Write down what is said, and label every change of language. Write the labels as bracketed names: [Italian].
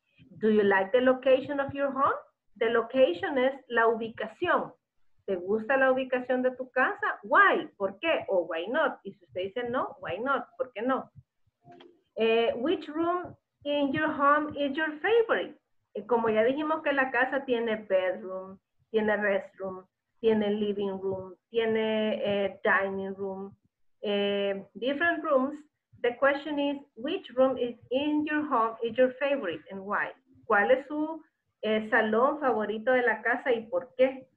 [English] Do you like the location of your home? The location [Spanish] es la ubicación. ¿Te gusta la ubicación de tu casa? Why? ¿Por qué? O why not? Y si usted dice no, why not? ¿Por qué no? [English] Which room in your home is your favorite? [Spanish] Como ya dijimos que la casa tiene bedroom, tiene restroom, tiene living room, tiene dining room, [English] different rooms. The question is, which room is in your home is your favorite and why? [Spanish] ¿Cuál es su salón favorito de la casa y por qué?